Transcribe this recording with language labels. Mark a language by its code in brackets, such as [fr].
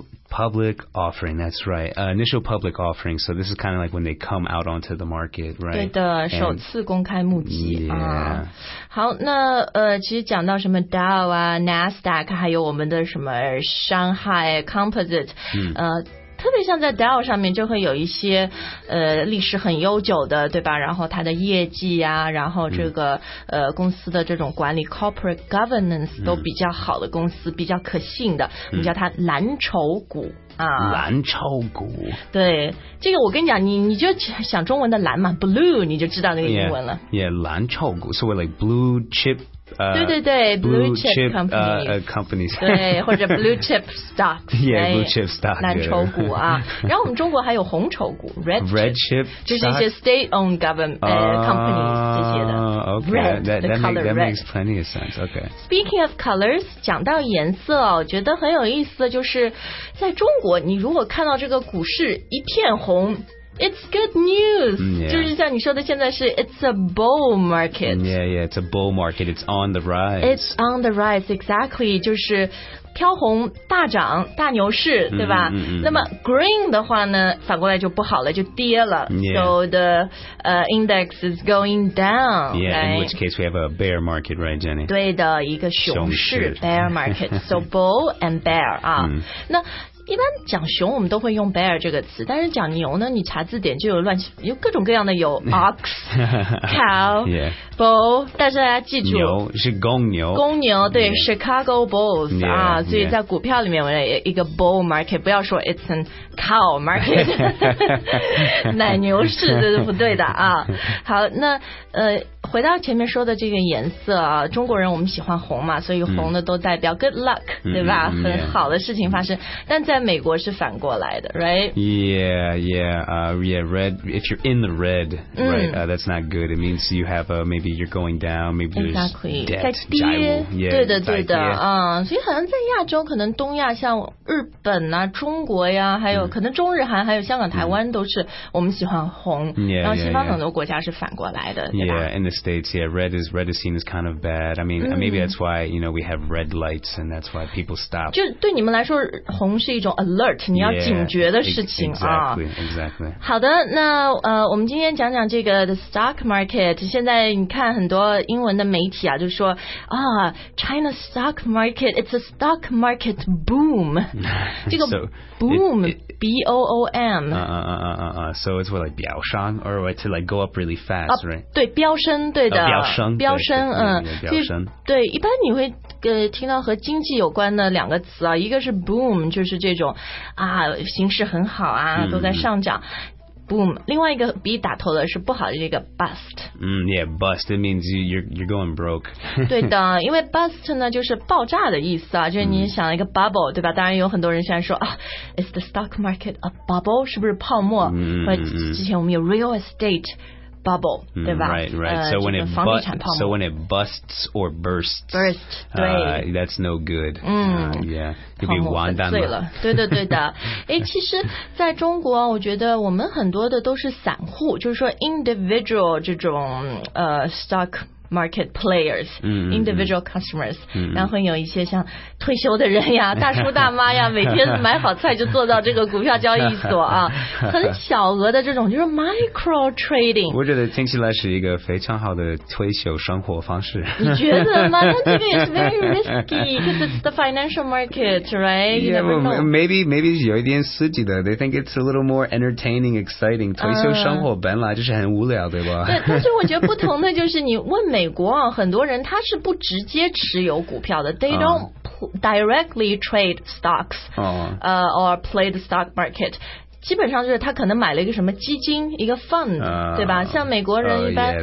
[en] Public offering, that's right. Initial public offering. So this is kind of like when they come out onto the market, right? [zh] 对的，首次公开募集。好，那其实讲到什么 Dow 啊 ，Nasdaq， 还有我们的什么上海 Composite， 特别像在 Dow 上面就会有一些历史很悠久的，对吧？然后它的业绩啊，然后这个公司的这种管理 corporate governance 都比较好的公司，比较可信的，我们叫它蓝筹股啊。蓝筹股。对，这个我跟你讲，你就想中文的蓝嘛 ，blue， 你就知道那个英文了。蓝筹股，所谓 like blue chip。对对对 [en] blue chip companies [zh] 对或者 blue chip stocks [en] yeah blue chip stock [zh] 蓝筹股啊然后我们中国还有红筹股 red chip 就是一些 [en] state owned government companies [zh] 这些的 [en] okay that makes plenty of sense okay speaking of colors [zh] 讲到颜色我觉得很有意思就是在中国你如果看到这个股市一片红 [en] It's good news.、 Yeah. [zh] 就是像你说的现在是 [en] it's a bull market. Yeah, yeah, it's a bull market. It's on the rise. It's on the rise, exactly. [zh] 就是飘红大涨大牛市对吧、 [en] mm-hmm. [zh] 那么 green 的话呢反过来就不好了就跌了、 [en] yeah. So the、index is going down Yeah,、 right? in which case we have a bear market, right, Jenny? [zh] 对的一个熊市 bear market. [en] So bull and bear [zh] 啊、那一般讲熊我们都会用 bear 这个词但是讲牛呢你查字典就有乱七有各种各样的有 ox cow、 [en] yeah. [zh] bull 但是大家记住牛是公牛公牛对、yeah. Chicago bulls [en] yeah, 啊、 yeah. [zh] 所以在股票里面一个 bull market 不要说 [en] it's an cow market [zh] 奶牛市这是不对的啊好那回到前面说的这个颜色啊，中国人我们喜欢红嘛，所以红的都代表 good luck，、嗯、对吧、嗯？很好的事情发生、嗯。但在美国是反过来的 ，right？ [en] Yeah, yeah, yeah. Red. If you're in the red,、right?、That's not good. It means you have a maybe you're going down. Maybe there's exactly debt, [zh] 在跌。 [en] Yeah, [zh] 对的，对的，嗯。所以好像在亚洲，可能东亚像日本啊、中国呀，还有、可能中日韩，还有香港、台湾，都是我们喜欢红。 [en] Yeah, [zh] 然后西方很多国家是反过来的， [en] yeah, [zh] 对吧？ [en] Yeah, States, yeah, red is seen as kind of bad. I mean,、maybe that's why, you know, we have red lights and that's why people stop. [zh] 就对你们来说红是一种 alert, 你要警觉的事情 [en] Exactly. [zh] 好的那我们今天讲讲这个 the stock market. 现在你看很多英文的媒体啊就说啊、 [en] China's stock market, it's a stock market boom. [zh] 这个 boom, B-O-O-M. [en] So it's what, like, [zh] 飙升 [en] or what, to like go up really fast,、right? [zh] 对飙升对的、飙升对一般你会、听到和经济有关的两个词、一个是 boom 就是这种啊，形势很好啊、都在上涨 boom 另外一个 B 打头的是不好的这个 bust、 [en] yeah bust it means you're going broke [zh] 对的因为 bust 呢就是爆炸的意思啊，就是你想一个 bubble 对吧当然有很多人现在说、 [en] is the stock market a bubble [zh] 是不是泡沫、之前我们有 real estateBubble,、对吧 [en] right. So, when it so when it busts or bursts, that's no good.、yeah. Could be [zh] 泡沫粉碎了。对的对的。诶其实在中国我觉得我们很多的都是散户就是说 individual 这种、stock market players,、individual customers,、然后会有一些像退休的人呀大叔大妈呀每天买好菜就坐到这个股票交易所啊很小额的这种就是 micro trading 我觉得听起来是一个非常好的退休生活方式你觉得吗那这个也是 [en] very risky because it's the financial market right yeah, you never know [zh] maybe 有一点刺激的 [en] they think it's a little more entertaining exciting [zh] 退休生活本来就是很无聊对吧对但是我觉得不同的就是你问美国啊很多人他是不直接持有股票的 [en] they don'tDirectly trade stocks、or play the stock market [zh] 基本上就是他可能买了一个什么基金一个 fund、对吧像美国人一般、